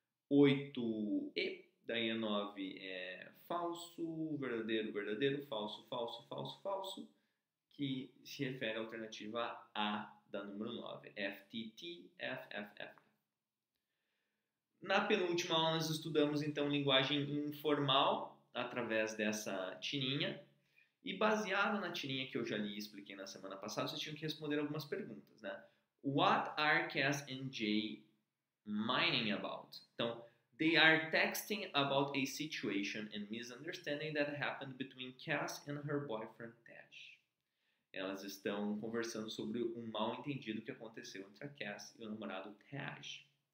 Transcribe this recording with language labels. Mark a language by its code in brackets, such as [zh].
[pt] 8E, daí a 9 é falso, verdadeiro, verdadeiro, falso, falso, falso, falso, que se refere à alternativa A da número 9, FTT, FFF. Na penúltima aula, nós estudamos, então, linguagem informal através dessa tirinha. E baseado na tirinha que eu já li e expliquei na semana passada, vocês tinham que responder algumas perguntas, né? [en] What are Cass and Jay mining about? Então, they are texting about a situation and misunderstanding that happened between Cass and her boyfriend Tash. [pt] Elas estão conversando sobre um mal-entendido que aconteceu entre a Cass e o namorado Tash.